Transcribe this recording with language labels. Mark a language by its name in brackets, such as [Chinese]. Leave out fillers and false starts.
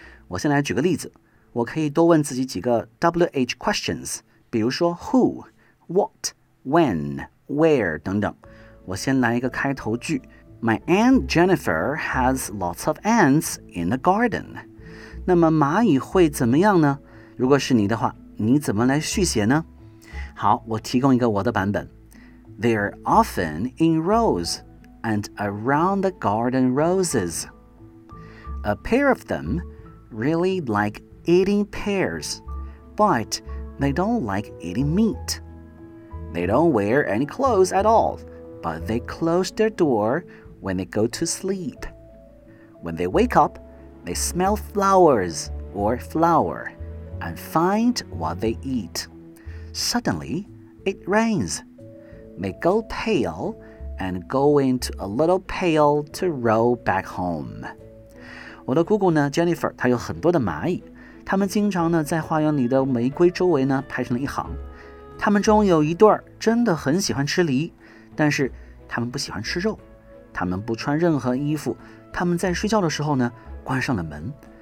[Chinese] 我先来举个例子，我可以多问自己几个 WH questions， 比如说 who、 what、 when、 where 等等。我先来一个开头句， [English] My aunt Jennifer has lots of ants in the garden。 [Chinese] 那么蚂蚁会怎么样呢？如果是你的话，你怎么来续写呢？好，我提供一个我的版本。 [English] They're often in rows and around the garden roses. A pair of them really like eating pears, but they don't like eating meat. They don't wear any clothes at all, but they close their door when they go to sleep. When they wake up, they smell flowers or flour. And find what they eat. Suddenly, it rains. They go pale and go into a little pail to row back home. [Chinese] 我的姑姑呢 ，Jennifer， 她有很多的蚂蚁，她们经常呢在花园里的玫瑰周围呢排成了一行。她们中有一对真的很喜欢吃梨，但是她们不喜欢吃肉。她们不穿任何衣服，她们在睡觉的时候呢关上了门。